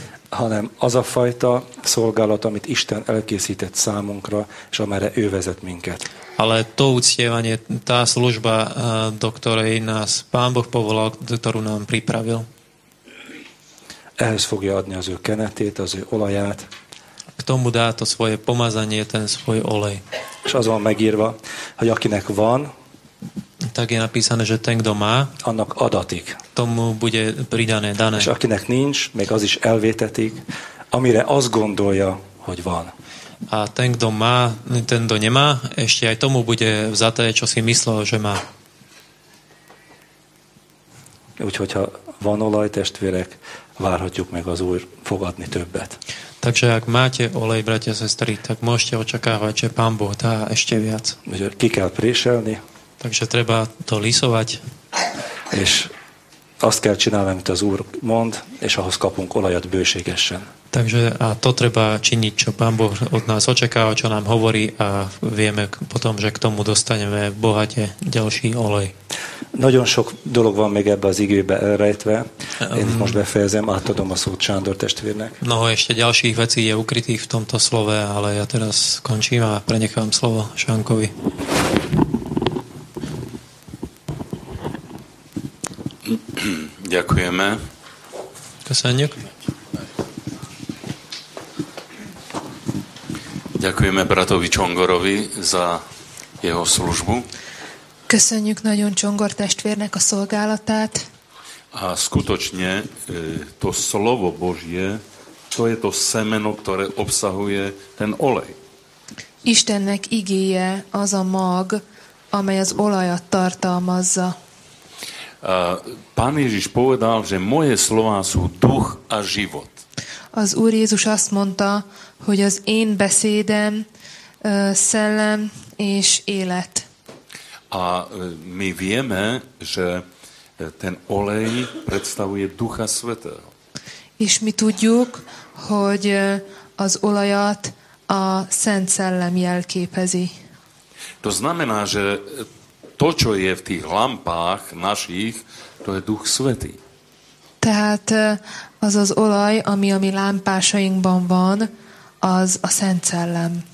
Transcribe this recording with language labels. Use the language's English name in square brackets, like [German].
[Hungarian] Hanem az a fajta szolgálat, amit Isten elkészített számunkra, és amerre ő vezet minket. [Slovak] Ale to uctievanie, tá služba, do ktorej nás Pán Boh povolal, ktorú nám pripravil. [Hungarian] Ehhez fogja adni az ő kenetét, az ő olaját. [Slovak] K tomu dá to svoje pomazanie, ten svoj olej. [Hungarian] És az van megírva, hogy akinek van, [Slovak] tak je napísané, že ten, kto má, [Hungarian] annak adatik. [Slovak] Tomu bude pridané, dané. [Hungarian] És akinek nincs, még az is elvétetik, amire azt gondolja, hogy van. [Slovak] A ten, kto má, ten, kto nemá, ešte aj tomu bude vzaté, čo si myslel, že má. [Hungarian] Úgyhogy, ha van olaj, testvérek, várhatjuk meg az Úr fogadni többet. [Slovak] Takže ak máte olej, bratia, sestry, tak môžete očakávať, že Pán Boh dá ešte viac. [Hungarian] Úgyhogy ki kell préselni, [Slovak] takže treba to lisovať. [Hungarian] És azt kell csinálni, amit az Úr mond, és ahhoz kapunk olajat bőségesen. [Slovak] Takže a to treba činiť, čo Pán Boh od nás očakáva, čo nám hovorí a vieme potom, že k tomu dostaneme bohate ďalší olej. [Hungarian] Nagyon sok dolog van még ebbe az igébe elrejtve. Én most befejezem, átadom a szót Sándor testvérnek. [Slovak] Mnoho ešte ďalších vecí je ukrytých v tomto slove, ale ja teraz skončím a prenechám slovo Šánkovi. Ďakujeme. [Hungarian] Köszönjük. [Slovak] Ďakujeme bratovi Csongorovi za jeho službu. [Hungarian] Köszönjük nagyon Csongor testvérnek a szolgálatát. [Slovak] A skutočne to slovo Božie, to je to semeno, ktoré obsahuje ten olej. [Hungarian] Istennek igéje az a mag, amely az olajat tartalmazza. [Slovak] Pán Ježiš povedal, že moje slová sú duch a život. [Hungarian] Az Úr Jézus azt mondta, hogy az én beszédem szellem és élet. [Slovak] A my vieme, že ten olej predstavuje Ducha Svätého. [Hungarian] És mi tudjuk, hogy az olajat a Szent Szellem jelképezi. [Slovak] To znamená, že to, čo je v tých lampách našich, to je Duch Svätý. [Hungarian] Tehát az az olaj, ami a mi lámpásainkban van, az a Szent Szellem.